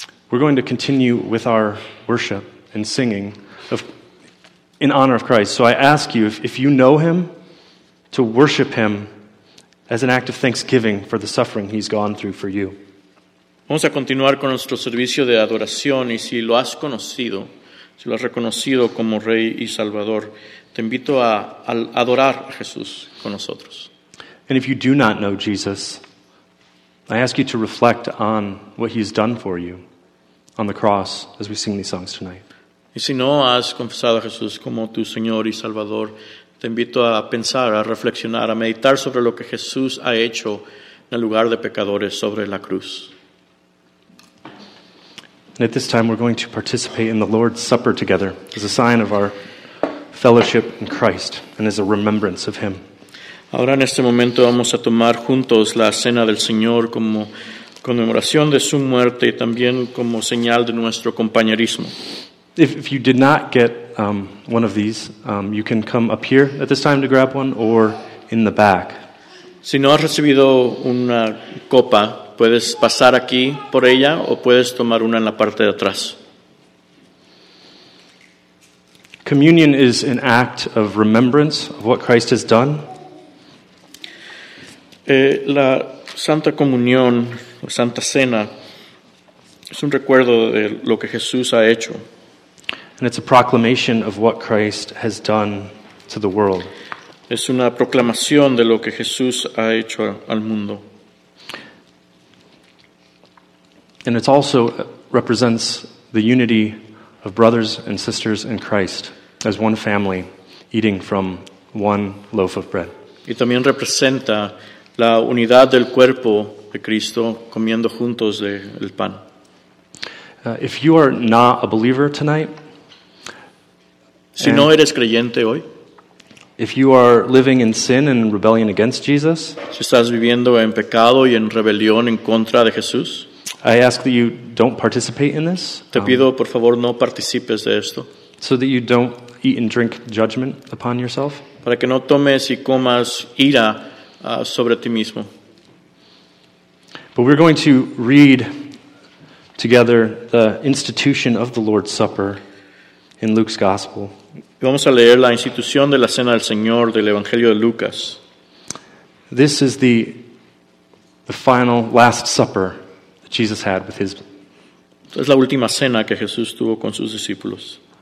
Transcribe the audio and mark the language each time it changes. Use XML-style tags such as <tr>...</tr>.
<en>We're going to continue with our worship and singing of, in honor of Christ. So I ask you, if you know him, to worship him as an act of thanksgiving for the suffering he's gone through for you.</en> <es>Vamos a continuar con nuestro servicio de adoración, y si lo has conocido, si lo has reconocido como Rey y Salvador, te invito a adorar a Jesús con nosotros.</es> <en>And if you do not know Jesus, I ask you to reflect on what he's done for you on the cross as we sing these songs tonight.</en> <es>Y si no has confesado a Jesús como tu Señor y Salvador, te invito a pensar, a reflexionar, a meditar sobre lo que Jesús ha hecho en el lugar de pecadores sobre la cruz.</es> <en>And at this time, we're going to participate in the Lord's Supper together as a sign of our fellowship in Christ and as a remembrance of him.</en> <es>Ahora en este momento vamos a tomar juntos la cena del Señor como conmemoración de su muerte y también como señal de nuestro compañerismo.</es> <en>If you did not get one of these, you can come up here at this time to grab one or in the back.</en> <es>Si no has recibido una copa, puedes pasar aquí por ella o puedes tomar una en la parte de atrás.</es> <en>Communion is an act of remembrance of what Christ has done.</en> <es>La Santa Comunión, la Santa Cena, es un recuerdo de lo que Jesús ha hecho.</es> <en>And it's a proclamation of what Christ has done to the world.</en> <es>Es una proclamación de lo que Jesús ha hecho al mundo.</es> <en>And it also represents the unity of brothers and sisters in Christ as one family eating from one loaf of bread.</en> <es>Y también representa la unidad del cuerpo de Cristo comiendo juntos el pan.</es> <en>If you are not a believer tonight,</en> <es>si no eres creyente hoy,</es> <en>if you are living in sin and rebellion against Jesus,</en> <es>si estás viviendo en pecado y en rebelión en contra de Jesús,</es> <en>I ask that you don't participate in this.</en> <es>Te pido por favor no participes de esto.</es> <en>So that you don't eat and drink judgment upon yourself.</en> <es>Para que no tomes y comas ira sobre ti mismo.</es> <en>But we're going to read together the institution of the Lord's Supper in Luke's Gospel.</en> <es>Vamos a leer la institución de la Cena del Señor del Evangelio de Lucas.</es> <en>This is the final Last Supper that Jesus had with his.</en> <es>Es la última cena que Jesús tuvo con sus discípulos.</es>